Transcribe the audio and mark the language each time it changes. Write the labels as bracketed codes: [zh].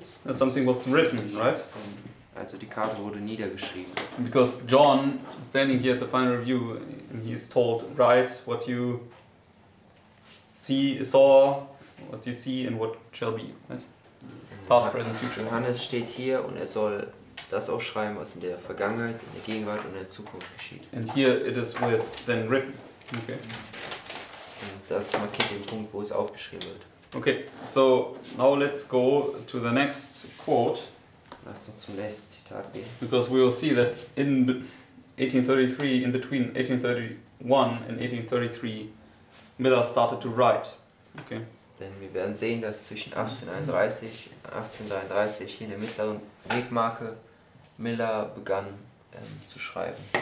[en] Something was written, right? [de] Also die Karte wurde niedergeschrieben. [en] Because John standing here at the final review, and he is told, write what you saw, what you see and what shall be, right? Past, present, future. [de] Johannes steht hier und er soll das auch schreiben, was in der Vergangenheit, in der Gegenwart und in der Zukunft geschieht. [en] And here it is where it's then written. Okay. [de] Und das markiert den Punkt, wo es aufgeschrieben wird. [en] Okay, so now let's go to the next quote. [de] Lass uns zum nächsten Zitat gehen. [en] Because we will see that in 1833, in between 1831 and 1833, Miller started to write. Okay. [de] Denn wir werden sehen, dass zwischen 1831 und 1833 hier in der mittleren Wegmarke Miller begann zu schreiben.